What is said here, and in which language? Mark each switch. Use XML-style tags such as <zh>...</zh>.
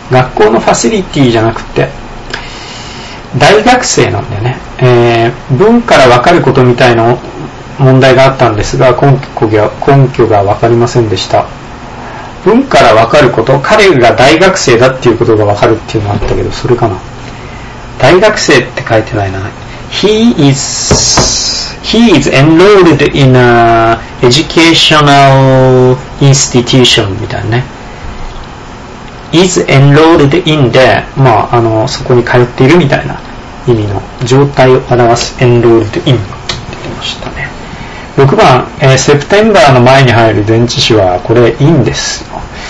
<ja>学校のファシリティじゃなくて、大学生なんだよね。文からわかることみたいな問題があったんですが、根拠がわかりませんでした。文からわかること、彼が大学生だっていうことがわかるっていうのがあったけど、それかな。大学生って書いてないな。</ja> <en>He is enrolled in a educational institution</en> <ja>みたいなね。</ja> <en>is enrolled in</en> <ja>で、まあ、そこに通っているみたいな意味の状態を表す enrolled in って言いましたね。 6番、セプテンバーの前に入る前置詞は、これ in ですよ。</ja>